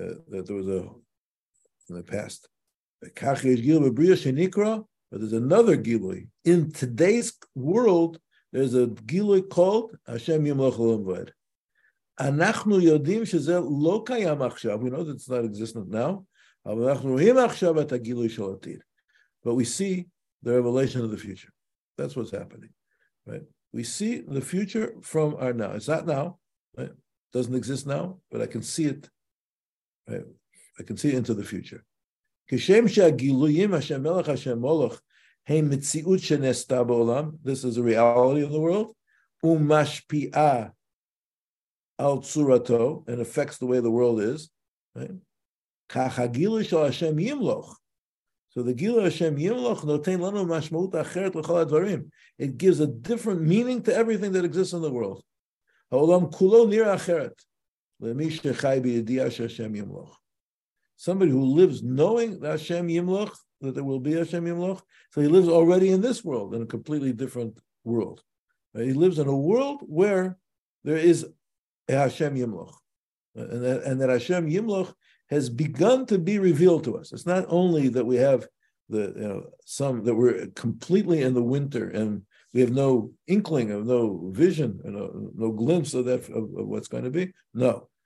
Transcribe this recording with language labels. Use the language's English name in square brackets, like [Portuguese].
[English] That was in the past. [Hebrew] כך יש גילוי בבריאה שנקרא, [English] but there's another גילוי. In today's world, there's a גילוי called [Hebrew] השם ימלוך לעולם ועד. אנחנו יודעים שזה לא קיים עכשיו, [English] we know that it's not existent now, [Hebrew] אבל אנחנו רואים עכשיו את הגילוי של עתיד. [English] But we see the revelation of the future. That's what's happening, right? We see the future from our now. It's not now, right? Doesn't exist now, but I can see it, right? I can see it into the future. [Hebrew] כשם שהגילויים השם מלך השם מולך הם מציאות שנעשתה בעולם, [English] this is a reality of the world, [Hebrew] ומשפיעה על צורתו, [English] and affects the way the world is, right? [Hebrew] כך הגילוי של השם ימלוך. [English] So the [Hebrew] גילוי השם ימלוך נותן לנו משמעות אחרת לכל הדברים. [English] It gives a different meaning to everything that exists in the world. [Hebrew] העולם כולו נראה אחרת למי שחי בידיעה שהשם ימלוך. [English] Somebody who lives knowing that Hashem Yimloch, that there will be Hashem Yimloch, so he lives already in this world, in a completely different world. He lives in a world where there is a Hashem Yimloch, and that Hashem Yimloch has begun to be revealed to us. It's not only that we have the, you know, some that we're completely in the winter and we have no inkling of, no vision, you know, no glimpse of that of what's going to be. No.